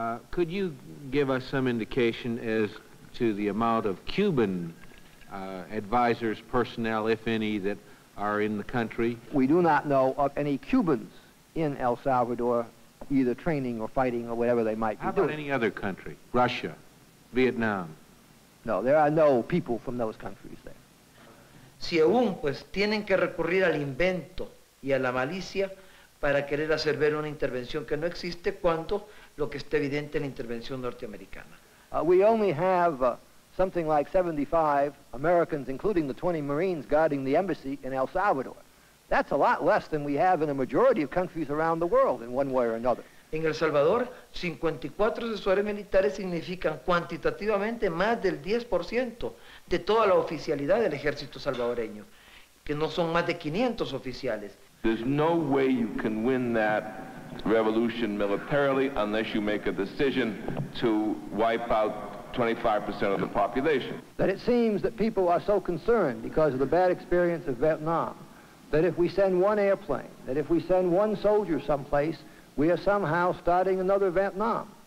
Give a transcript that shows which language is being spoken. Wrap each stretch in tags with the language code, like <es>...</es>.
<en>Could you give us some indication as to the amount of Cuban advisors, personnel, if any, that are in the country? We do not know of any Cubans in El Salvador, either training or fighting or whatever they might be doing. How about any other country? Russia, Vietnam? No, there are no people from those countries there.</en> <es>si aún pues tienen que recurrir al invento y a la malicia para querer hacer ver una intervención que no existe cuando lo que está evidente en la intervención norteamericana.</es> <en>We only have something like 75 Americans, including the 20 Marines, guarding the embassy in El Salvador. That's a lot less than we have in a majority of countries around the world in one way or another.</en> <es>En El Salvador, 54 asesores militares significan cuantitativamente más del 10% de toda la oficialidad del ejército salvadoreño, que no son más de 500 oficiales.</es> <en>There's no way you can win that revolution militarily unless you make a decision to wipe out 25% of the population. That it seems that people are so concerned because of the bad experience of Vietnam, that if we send one airplane, that if we send one soldier someplace, we are somehow starting another Vietnam.</en>